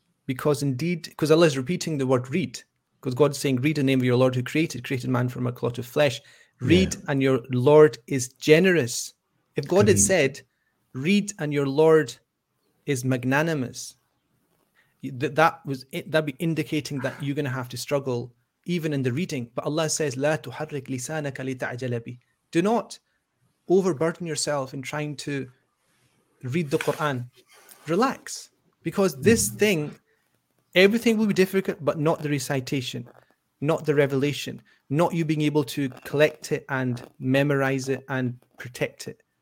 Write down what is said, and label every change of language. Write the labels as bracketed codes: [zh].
[en] Because indeed, because Allah is repeating the word read, because God is saying, read the name of your Lord who created man from a clot of flesh. Read, and your Lord is generous. If God had said, read, and your Lord is magnanimous, that'd be indicating that you're going to have to struggle even in the reading. [ar] But Allah says, لا تحرك لسانك لتعجل بي. [en] Do not overburden yourself in trying to read the Quran. Relax. Because this thing, everything will be difficult, but not the recitation, not the revelation, not you being able to collect it and memorize it and protect it.